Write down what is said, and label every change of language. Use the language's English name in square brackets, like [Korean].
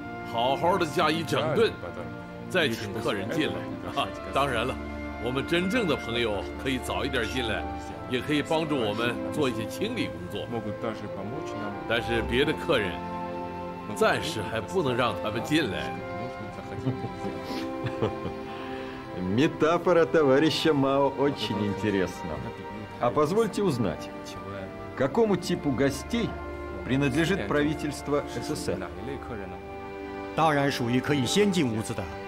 [Chinese] 柴草、垃圾、跳蚤、臭虫、虱子，什么都有啊！解放以后，我们必须认真地清理我们的屋子，从内到外，啊，从各个角落，以至于从门缝里把那些脏东西通通打扫一番，好好的加以整顿。再请客人进来，当然了，我们真正的朋友可以早一点进来，也可以帮助我们做一些清理工作。但是别的客人，暂时还不能让他们进来。 [Russian] Метафора товарища Мао очень интересна. А позвольте узнать, какому типу гостей принадлежит правительство СССР? [Chinese] 当然属于可以先进屋子的。